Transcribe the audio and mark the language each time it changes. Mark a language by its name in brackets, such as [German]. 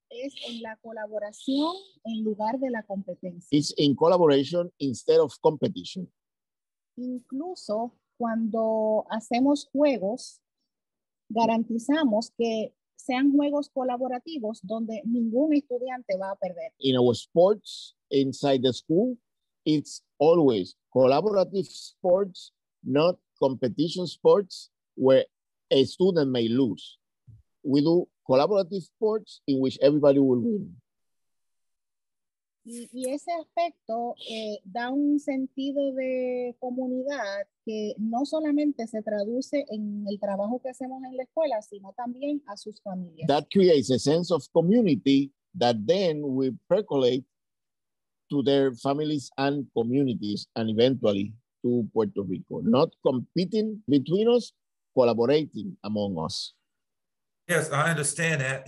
[Spanish] Es en la colaboración en lugar de la competencia. [English] It's in collaboration instead of competition. [Spanish] Incluso cuando hacemos juegos, garantizamos que sean juegos colaborativos donde ningún estudiante va a perder. [English] In our sports inside the school, it's always collaborative sports, not competition sports where a student may lose. We do collaborative sports in which everybody will win. [Spanish] Y ese aspecto da un sentido de comunidad que no solamente se traduce en el trabajo que hacemos en la escuela, sino también a sus familias. [English] That creates a sense of community that then we percolate to their families and communities and eventually to Puerto Rico. Not competing between us, collaborating among us. Yes, I understand that.